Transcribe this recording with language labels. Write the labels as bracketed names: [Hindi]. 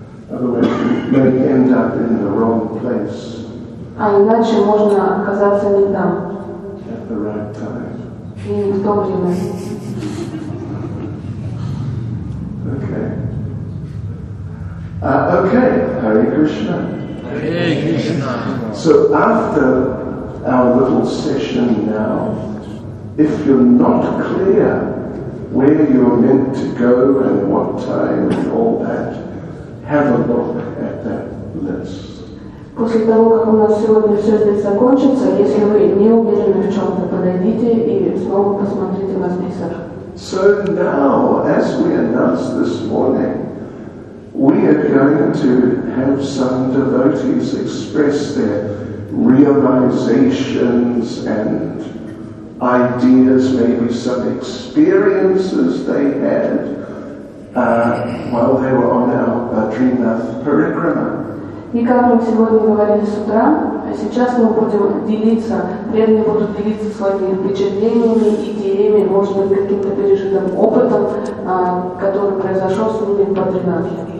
[English] Otherwise, you may end up in the wrong place. [Russian] А иначе можно оказаться не там. [English] At the right time. [Russian] И не в то время. [English] Okay. Okay, Hare Krishna. So after our little session now, if you're not clear where you're meant to go and what time and all that, have a look at that list. [Russian] После того, как у нас сегодня все здесь закончится, если вы не уверены в чем-то, подойдите и снова посмотрите на список. [English] So now, as we announced this morning, we are going to have some devotees express their realizations and ideas, maybe some experiences they had while they were on our Badrinath Parikrama. [Russian] И как мы сегодня говорили с утра, сейчас мы будем делиться, преданные будут делиться своими впечатлениями, идеями, может быть, каким-то пережитым опытом, который произошел с ними в Бадринатхе.